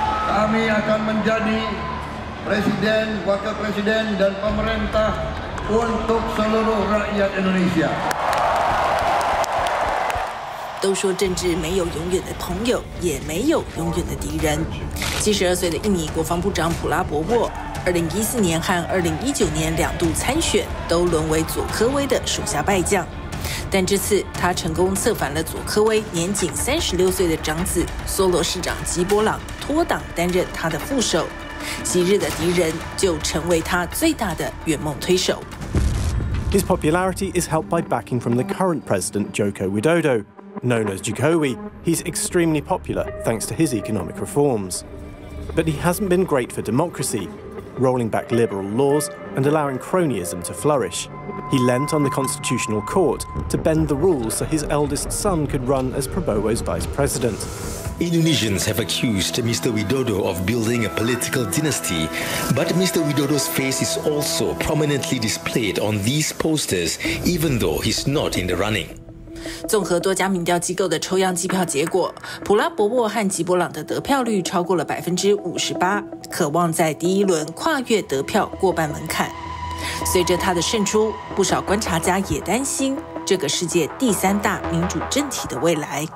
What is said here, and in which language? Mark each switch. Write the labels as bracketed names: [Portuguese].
[Indonesian] Kami akan menjadi presiden, wakil presiden dan pemerintah untuk seluruh rakyat Indonesia. [Chinese] 都说政治没有永远的朋友，也没有永远的敌人。 72岁的印尼国防部长普拉博沃，2014年和2019年两度参选，都沦为佐科威的手下败将。但这次他成功策反了佐科威年仅36岁的长子梭罗市长吉波朗，脱党担任他的副手。昔日的敌人就成为他最大的圆梦推手。 [English] His popularity is helped by backing from the current president Joko Widodo. Known as Jokowi, he's extremely popular thanks to his economic reforms. But he hasn't been great for democracy, rolling back liberal laws and allowing cronyism to flourish. He lent on the Constitutional Court to bend the rules so his eldest son could run as Prabowo's vice president. Indonesians have accused Mr. Widodo of building a political dynasty, but Mr. Widodo's face is also prominently displayed on these posters, even though he's not in the running. [Chinese] 综合多家民调机构的抽样计票结果，普拉博沃和吉波朗的得票率超过了58%，渴望在第一轮跨越得票过半门槛。随着他的胜出，不少观察家也担心这个世界第三大民主政体的未来。